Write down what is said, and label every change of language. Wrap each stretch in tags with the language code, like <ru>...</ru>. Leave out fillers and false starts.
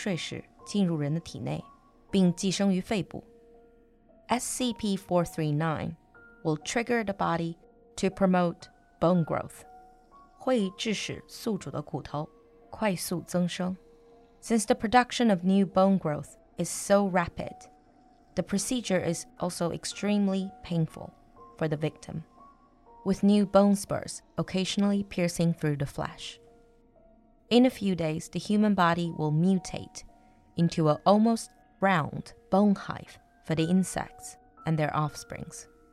<en>SCP-439 will trigger the body to promote bone growth.</en> <zh>会致使宿主的骨头快速增生.</zh> <en>Since the production of new bone growth is so rapid, the procedure is also extremely painful for the victim, with new bone spurs occasionally piercing through the flesh. In a few days, the human body will mutate into an almost round bone hive for the insects and their offsprings.</en>